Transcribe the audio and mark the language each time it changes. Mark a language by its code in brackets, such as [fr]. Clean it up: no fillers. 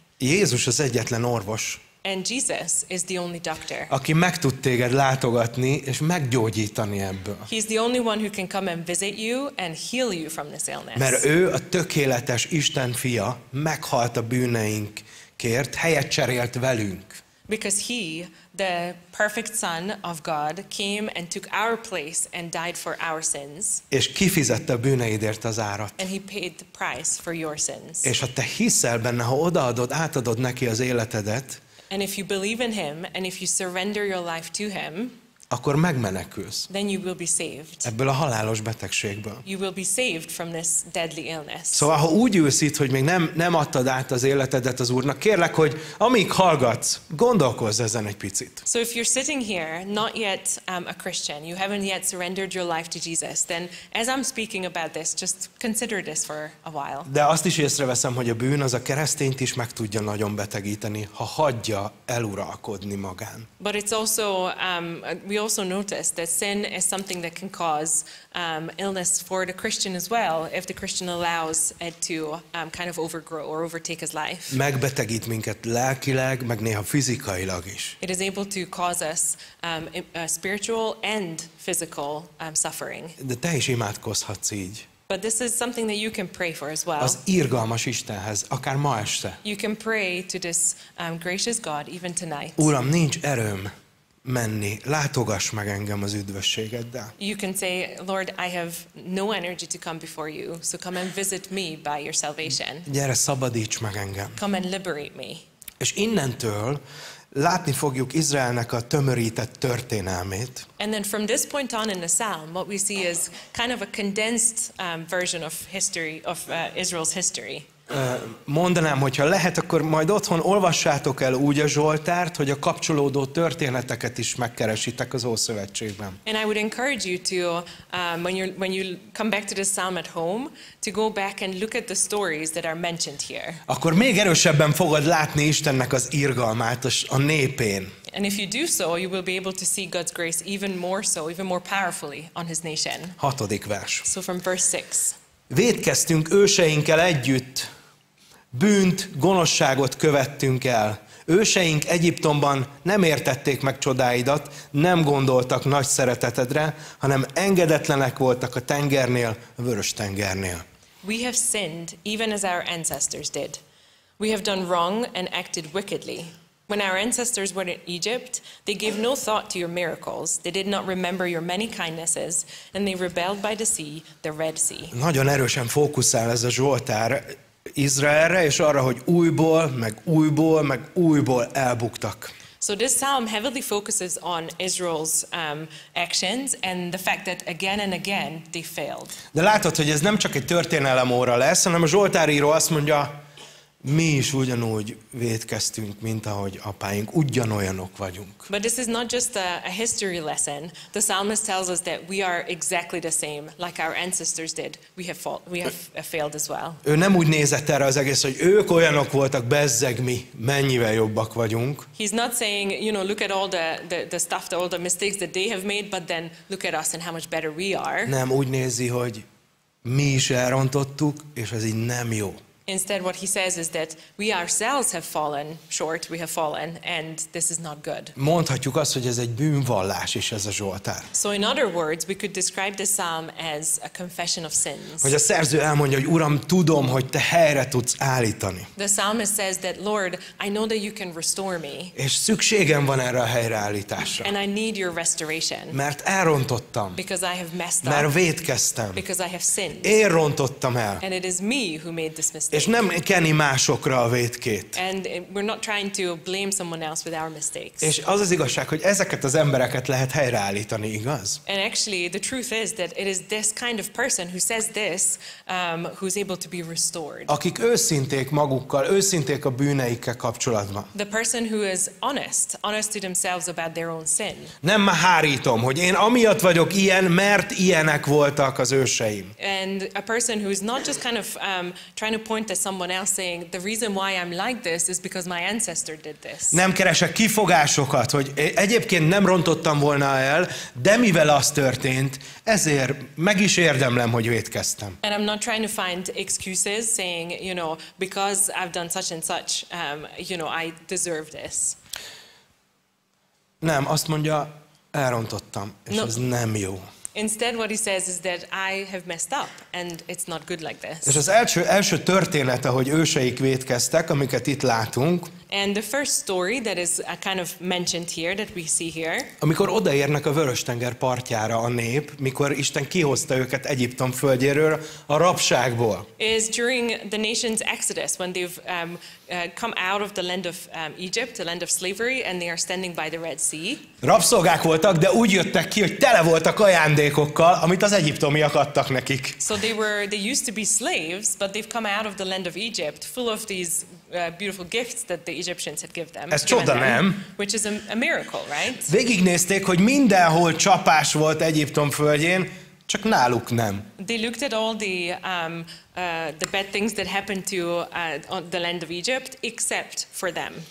[hu] Jézus az egyetlen orvos, [en] and Jesus is the only doctor, [hu] aki meg tud téged látogatni és meggyógyítani ebből. [en] He is the only one who can come and visit you and heal you from this illness. [hu] Mert ő a tökéletes Isten fia, meghalt a bűneink kért, helyet cserélt velünk. [en] Because he, the perfect son of God, came and took our place and died for our sins. [hu] És kifizette a bűneidért az árat. [en] And he paid the price for your sins. [hu] És ha te hiszel benne, ha odaadod, átadod neki az életedet, [en] and if you believe in him and if you surrender your life to him, [hu] akkor megmenekülsz. [en] Then you will be saved. [hu] Ebből a halálos betegségből. [en] You will be saved from this deadly illness. [hu] Szóval, ha úgy ülsz itt, hogy még nem adtad át az életedet az Úrnak, kérlek, hogy amíg hallgatsz, gondolkozz ezen egy picit. [en] So if you're sitting here, not yet a Christian, you haven't yet surrendered your life to Jesus, then as I'm speaking about this, just consider this for a while. [hu] De azt is észreveszem, hogy a bűn az a keresztényt is meg tudja nagyon betegíteni, ha hagyja eluralkodni magán. [en] But it's also we also notice that sin is something that can cause illness for the Christian as well, if the Christian allows it to kind of overgrow or overtake his life. [hu] Megbetegít minket lelkileg, meg néha fizikailag is. [en] It is able to cause us spiritual and physical suffering. [hu] De te is imádkozhatsz így. [en] But this is something that you can pray for as well. [hu] Az irgalmas Istenhez, akár ma este. [en] You can pray to this gracious God even tonight. [hu] Uram, nincs erőm menni, látogass meg engem az üdvösségeddel. [en] You can say, Lord, I have no energy to come before you, so come and visit me by your salvation. [hu] Gyere, szabadíts meg engem. [en] Come and liberate me. [hu] És innentől látni fogjuk Izraelnek a tömörített történelmét. [en] And then from this point on in the psalm, what we see is kind of a condensed version of history, of Israel's history. [hu] Mondanám, hogyha lehet, akkor majd otthon olvassátok el úgy a Zsoltárt, hogy a kapcsolódó történeteket is megkeresitek az Ószövetségben. [en] And I would encourage you to when you come back to the psalm at home, to go back and look at the stories that are mentioned here. [hu] Akkor még erősebben fogod látni Istennek az irgalmát a népén. [en] And if you do so, you will be able to see God's grace even more so, even more powerfully on his nation. [hu] Hatodik vers. [en] So from verse 6. [hu] Vétkeztünk őseinkkel együtt, bűnt, gonoszságot követtünk el. Őseink Egyiptomban nem értették meg csodáidat, nem gondoltak nagy szeretetedre, hanem engedetlenek voltak a tengernél, a vörös tengernél. [en] We have sinned, even as our ancestors did. We have done wrong and acted wickedly. When our ancestors were in Egypt, they gave no thought to your miracles. They did not remember your many kindnesses, and they rebelled by the sea, the Red Sea. [hu] Nagyon erősen fókuszál ez a Zsoltár Izraelre, és arra, hogy újból, meg újból, meg újból elbuktak. [en] So this psalm heavily focuses on Israel's actions and the fact that again and again they failed. [hu] De látod, hogy ez nem csak egy történelem óra lesz, hanem a Zsoltár író azt mondja, mi is ugyanúgy vétkeztünk, mint ahogy apáink, ugyanolyanok vagyunk. [en] But this is not just a history lesson. The psalmist tells us that we are exactly the same, like our ancestors did. We have failed as well. [hu] Ő nem úgy nézett erre az egész, hogy ők olyanok voltak, bezzeg mi, mennyivel jobbak vagyunk. [en] He's not saying, you know, look at all the stuff, all the mistakes that they have made, but then look at us and how much better we are. [hu] Nem úgy nézi, hogy mi is elrontottuk, és ez így nem jó. [en] Instead, what he says is that we ourselves have fallen short, we have fallen, and this is not good. [hu] Mondhatjuk azt, hogy ez egy bűnvallás is ez a Zsoltár. [en] So in other words, we could describe the psalm as a confession of sins. [hu] Hogy a szerző elmondja, hogy Uram, tudom, hogy te helyre tudsz állítani. [en] The psalmist says that, Lord, I know that you can restore me. [hu] És szükségem van erre a helyreállításra. [en] And I need your restoration. [hu] Mert elrontottam. [en] Because I have messed up. [hu] Mert vétkeztem. [en] Because I have sinned. [hu] Én rontottam el. [en] And it is me who made this mistake. [hu] És nem keni másokra a vétkét. [en] And we're not trying to blame someone else with our mistakes. [hu] És az az igazság, hogy ezeket az embereket lehet helyreállítani, igaz? [en] And actually, the truth is that it is this kind of person who says this, who's able to be restored. [hu] Akik őszinték magukkal, őszinték a bűneikkel kapcsolatban. [en] The person who is honest to themselves about their own sin. [hu] Nem hárítom, hogy én amiatt vagyok ilyen, mert ilyenek voltak az őseim. [en] And a person who is not just kind of trying to point to someone else saying the reason why I'm like this is because my ancestor did this. [hu] Nem keresek kifogásokat, hogy egyébként nem rontottam volna el, de mivel az történt, ezért meg is érdemlem, hogy vétkeztem. [en] And I'm not trying to find excuses saying, you know, because I've done such and such, you know, I deserve this. [hu] Nem, azt mondja, elrontottam, és no, ez nem jó. [en] Instead, what he says is that I have messed up, and it's not good like this. [hu] És az első története, hogy őseik vétkeztek, amiket itt látunk. [en] And the first story that is a kind of mentioned here that we see here. [hu] Amikor odaérnek a Vöröstenger partjára a nép, mikor Isten kihozta őket Egyiptom földjéről, a rabságból. [en] Is during the nation's exodus when they've come out of the land of Egypt, the land of slavery, and they are standing by the Red Sea. [hu] Rabszolgák voltak, de úgy jöttek ki, hogy tele voltak ajándékokkal, amit az egyiptomiak adtak nekik. [en] So they used to be slaves, but they've come out of the land of Egypt full of these beautiful gifts that the Egyptians had given them. [hu] Ez csoda, nem? [en] Which is a miracle, right? [hu] Végignézték, hogy mindenhol csapás volt Egyiptom földjén, csak náluk nem. [en] They looked at all the bad things that happened to the land of Egypt, except for them.